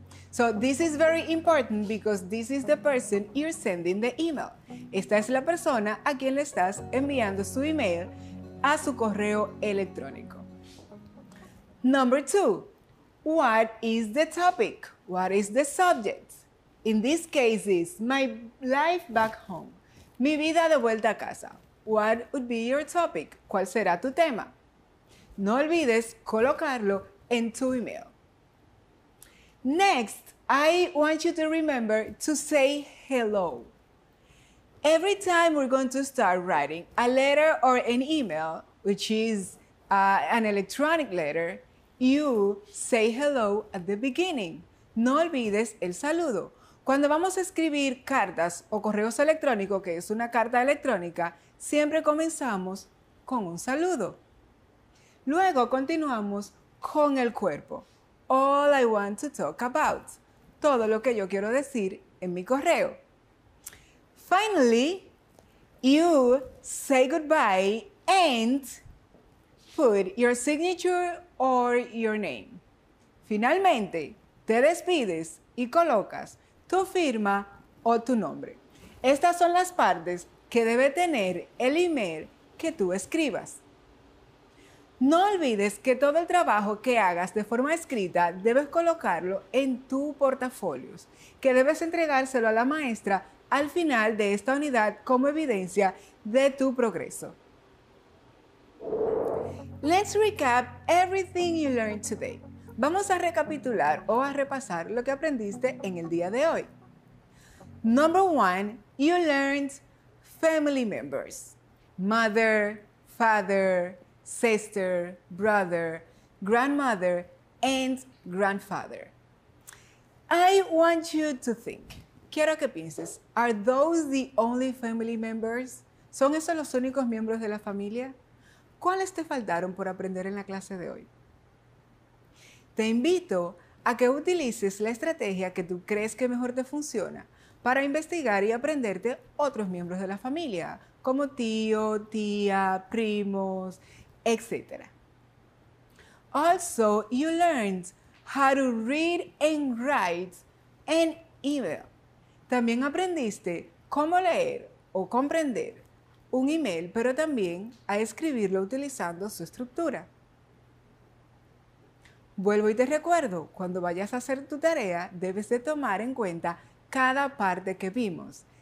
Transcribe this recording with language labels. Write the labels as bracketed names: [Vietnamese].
[English] So this is very important because this is the person you're sending the email. [Spanish] Esta es la persona a quien le estás enviando su email a su correo electrónico. [English] Number two, what is the topic? What is the subject? In this case is my life back home. [Spanish] Mi vida de vuelta a casa. [English] What would be your topic? [Spanish] ¿Cuál será tu tema? No olvides colocarlo en tu email. [English] Next, I want you to remember to say hello. Every time we're going to start writing a letter or an email, which is an electronic letter, you say hello at the beginning. [Spanish] No olvides el saludo. Cuando vamos a escribir cartas o correos electrónicos, que es una carta electrónica, siempre comenzamos con un saludo. Luego continuamos con el cuerpo. [English] All I want to talk about. [Spanish] Todo lo que yo quiero decir en mi correo. [English] Finally, you say goodbye and put your signature or your name. [Spanish] Finalmente, te despides y colocas tu firma o tu nombre. Estas son las partes que debe tener el email que tú escribas. No olvides que todo el trabajo que hagas de forma escrita debes colocarlo en tu portafolio, que debes entregárselo a la maestra al final de esta unidad como evidencia de tu progreso. [English] Let's recap everything you learned today. [Spanish] Vamos a recapitular o a repasar lo que aprendiste en el día de hoy. [English] Number one, you learned family members. Mother, father, sister, brother, grandmother, and grandfather. I want you to think. [Spanish] Quiero que pienses, [English] are those the only family members? [Spanish] ¿Son esos los únicos miembros de la familia? ¿Cuáles te faltaron por aprender en la clase de hoy? Te invito a que utilices la estrategia que tú crees que mejor te funciona para investigar y aprenderte otros miembros de la familia, como tío, tía, primos, etc. [English] Also, you learned how to read and write an email. [Spanish] También aprendiste cómo leer o comprender un email, pero también a escribirlo utilizando su estructura. Vuelvo y te recuerdo, cuando vayas a hacer tu tarea, debes de tomar en cuenta cada parte que vimos.